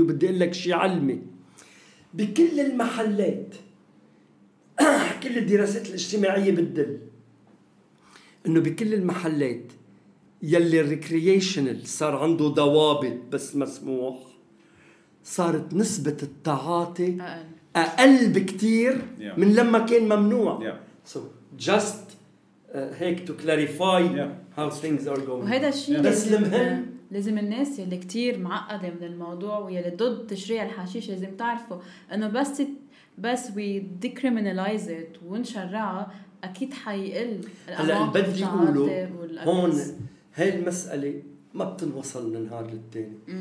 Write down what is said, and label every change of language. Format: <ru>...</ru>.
<ar>وبدي أقول لك شيء علمي، بكل المحلات كل الدراسات الاجتماعية بتدل إنه بكل المحلات يلي الريكريشنال صار عنده ضوابط بس مسموح، صارت نسبة التعاطي أقل بكتير من لما كان ممنوع.</ar> <en>So just</en> <ar>هيك</ar> <en>to clarify how things are going.</en> <ar>وهذا الشيء لازم الناس يلي كتير معقدة من الموضوع ويلي ضد تشريع الحشيش لازم تعرفوا إنه بس</ar> <en>we decriminalize it</en> <ar>ونشرعها أكيد حيقل. هلا بدي أقوله هون هاي المسألة ما بتنوصل من نهار للتاني.</ar>